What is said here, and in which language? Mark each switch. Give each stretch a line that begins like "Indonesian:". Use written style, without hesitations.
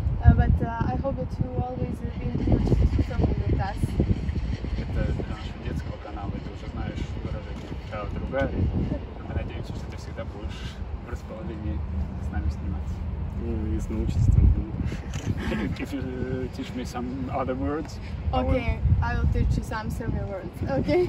English: But I hope that you always will be in touch with us.
Russian: Это для нашего детского канала. Ты уже знаешь выражение
Serbian: Ciao Drugari.
Russian: Мы надеемся, что ты всегда будешь в расположении с нами сниматься. Если научиться, то...
English: If you teach me some other words... Okay, I will teach you some Serbian words, okay?